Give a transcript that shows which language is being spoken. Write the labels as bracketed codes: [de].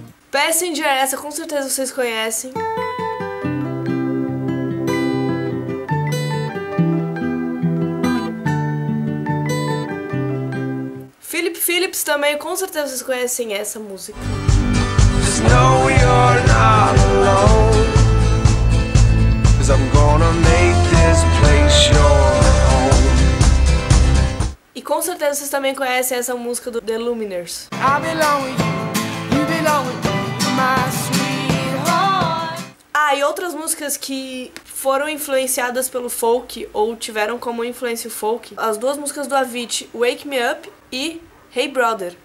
[pt] Passenger, essa com certeza vocês conhecem. Philip Phillips também, com certeza vocês conhecem essa música. [en] Just know you're not alone, 'cause I'm gonna make this place your home. [pt] E com certeza vocês também conhecem essa música do The Lumineers. Ah, e outras músicas que foram influenciadas pelo folk ou tiveram como influência o folk, as duas músicas do Avicii, Wake Me Up e Hey Brother.